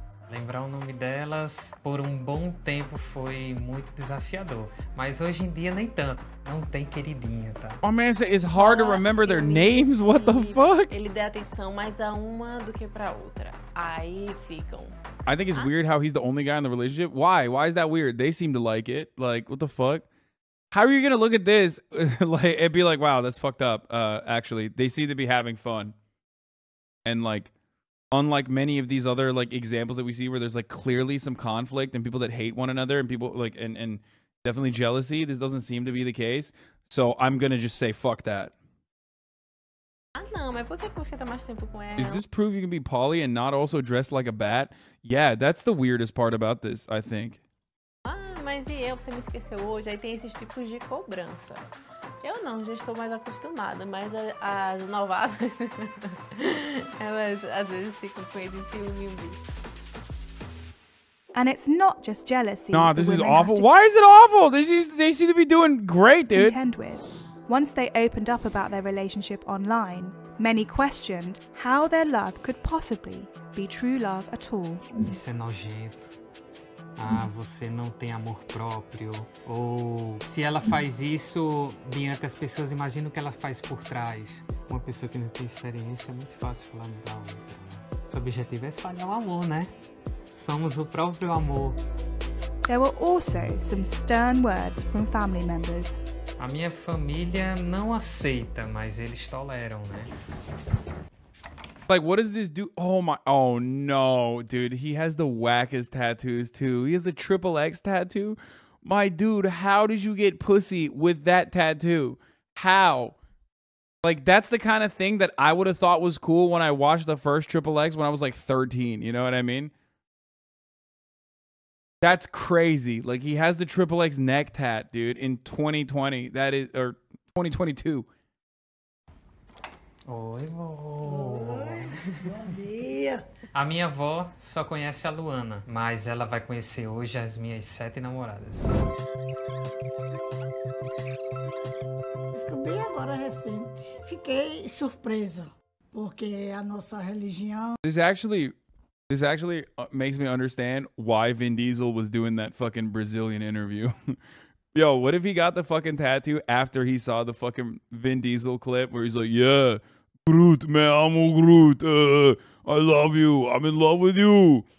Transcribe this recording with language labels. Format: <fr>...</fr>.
<pt>Lembrar o nome delas por um bom tempo foi muito desafiador, mas hoje em dia nem tanto. Não tem queridinha, tá?</pt> <en>Oh man, it's hard to remember their names. What the fuck?</en> <pt>Ele dá atenção mais a uma do que para outra. Aí ficam.</pt> <en>I think it's weird how he's the only guy in the relationship. Why? Why is that weird? They seem to like it. Like, what the fuck? How are you gonna look at this? Like, and be like, wow, that's fucked up. Actually, they seem to be having fun. And, like, unlike many of these other, like, examples that we see where there's, like, clearly some conflict and people that hate one another and people, like, and definitely jealousy, this doesn't seem to be the case. So I'm gonna just say, fuck that.</en> <pt>Ah, não, mas por que você tá mais tempo com ela?</pt> <en>Is this proof you can be poly and not also dressed like a bat? Yeah, that's the weirdest part about this, I think.</en> <pt>Ah, mas e eu? Você me esqueceu hoje? Aí tem esses tipos de cobrança. Eu não, já estou mais acostumada, mas as novadas, elas às vezes ficam com esse ciúme e um bicho.</pt> <en>And it's not just jealousy. Nah, this is awful. Why is it awful? They seem to be doing great, dude. Contend with. Once they opened up about their relationship online, many questioned how their love could possibly be true love at all.</en> <pt>Isso é nojento. Ah, você não tem amor próprio. Ou se ela faz isso diante das pessoas, imagina o que ela faz por trás. Uma pessoa que não tem experiência, é muito fácil falar da outra. Seu objetivo é espalhar o amor, né? Somos o próprio amor.</pt> <en>There were also some stern words from family members.</en> <pt>A minha família não aceita, mas eles toleram, né?</pt> <en>Like, what does this do? Oh my, oh no, dude. He has the wackest tattoos too. He has a triple X tattoo. My dude, how did you get pussy with that tattoo? How? Like, that's the kind of thing that I would have thought was cool when I watched the first triple X when I was like 13. You know what I mean? That's crazy. Like, he has the triple X neck tat, dude, in 2020. That is, or 2022.</en> <pt>Oi, vó. Bom dia. A minha avó só conhece a Luana, mas ela vai conhecer hoje as minhas sete namoradas. Descobri agora recente. Fiquei surpresa, porque a nossa religião...</pt> <en>This actually makes me understand why Vin Diesel was doing that fucking Brazilian interview. Yo, what if he got the fucking tattoo after he saw the fucking Vin Diesel clip where he's like, yeah... Groot,</en> <pt>me amo</pt> <en>Groot, I love you, I'm in love with you.</en>